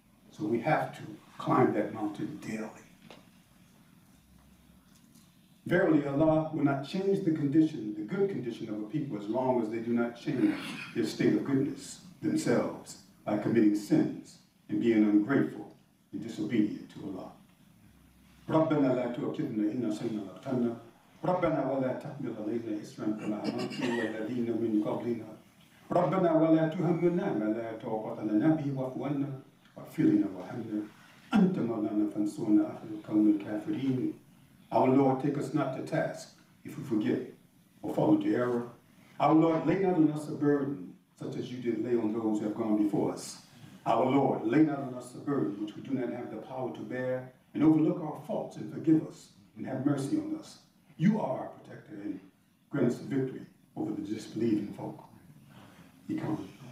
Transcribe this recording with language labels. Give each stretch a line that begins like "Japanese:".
English: So we have to climb that mountain daily. Verily, Allah will not change the condition, the good condition of a people, as long as they do not change their state of goodness themselves by committing sins and being ungrateful and disobedient to Allah.
Arabic: ربنا لا تؤاخذنا إن نسينا أو أخطأنا ربنا ولا تحمل علينا إصرا كما حملته على الذين من قبلنا ربنا ولا تهملنا ما لا طاقة لنا به واعف عنا واغفر لنا وارحمنا أنت مولانا فانصرنا على القوم الكافرين.
English: Our Lord, take us not to task if we forget or fall into error. Our Lord, lay not on us a burden such as you did lay on those who have gone before us. Our Lord, lay not on us a burden which we do not have the power to bear, and overlook our faults and forgive us and have mercy on us. You are our protector and grant us the victory over the disbelieving folk. He comes.